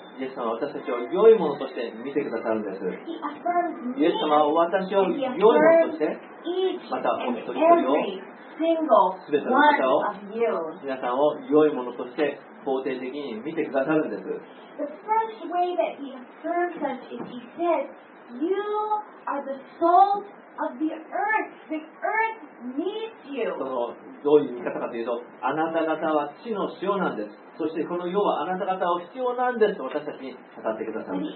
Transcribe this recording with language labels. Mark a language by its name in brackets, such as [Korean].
[Japanese] イエス様は私たちを良いものとして見てくださるんです。イエス様は私を良いものとして、またお一人一人を、すべての方を、皆さんを良いものとして肯定的に見てくださるんです。 [English] The first way that he affirms us is he says, You are the salt of the earth. The earth needs you. [Japanese] そのどういう見方かというと、あなた方は地の塩なんです。そしてこの世はあなた方を必要なんですと私たちに語ってくださるんです、